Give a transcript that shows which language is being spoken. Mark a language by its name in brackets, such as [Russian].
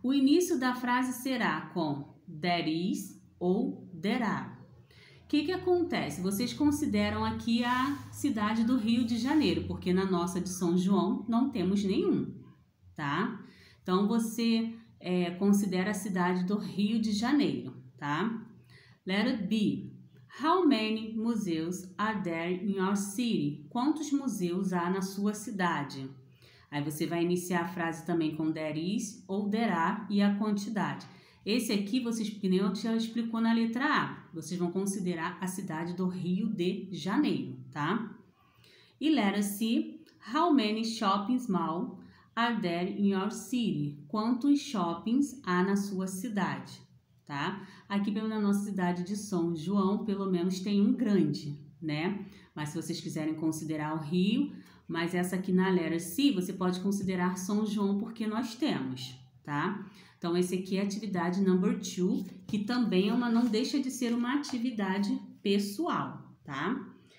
[Portuguese] O início da frase será com there is ou there are. Que acontece? Vocês consideram aqui a cidade do Rio de Janeiro, porque na nossa de São João não temos nenhum. Tá? Então, você considera a cidade do Rio de Janeiro. Tá? [English] Let it be. How many museums are there in your city? [Portuguese] Quantos museus há na sua cidade? Aí você vai iniciar a frase também com there is ou there are e a quantidade. Esse aqui, vocês, que nem eu já explicou na letra A, vocês vão considerar a cidade do Rio de Janeiro, tá? E letra C, [English] how many shopping malls are there in your city? [Portuguese] Quantos shoppings há na sua cidade? Tá? Aqui pela nossa cidade de São João, pelo menos tem um grande, né? Mas se vocês quiserem considerar o Rio, mas essa aqui na letra C, você pode considerar São João porque nós temos, tá? Então esse aqui é atividade number two, que também é uma, não deixa de ser uma atividade pessoal, tá?